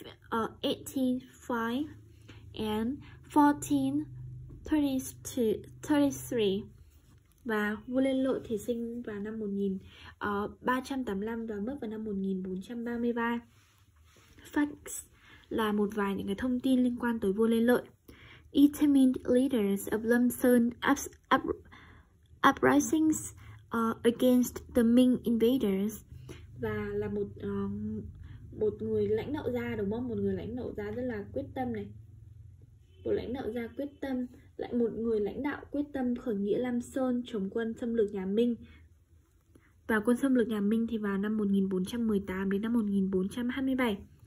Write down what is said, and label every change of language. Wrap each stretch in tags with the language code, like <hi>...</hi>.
<en>1385 and 1433.</en> <vi>Và vua Lê Lợi thì sinh vào năm 1385 và mất vào năm 1433. Facts là một vài những cái thông tin liên quan tới vua Lê Lợi.</vi> <en>Determined leaders of Lâm Sơn uprisings against the Ming invaders.</en> <vi>Và là một người lãnh đạo gia đúng không? Một người lãnh đạo gia rất là quyết tâm này. Một lãnh đạo gia quyết tâm, lại một người lãnh đạo quyết tâm khởi nghĩa Lâm Sơn chống quân xâm lược nhà Minh. Và quân xâm lược nhà Minh thì vào năm 1418 đến năm 1427.</vi>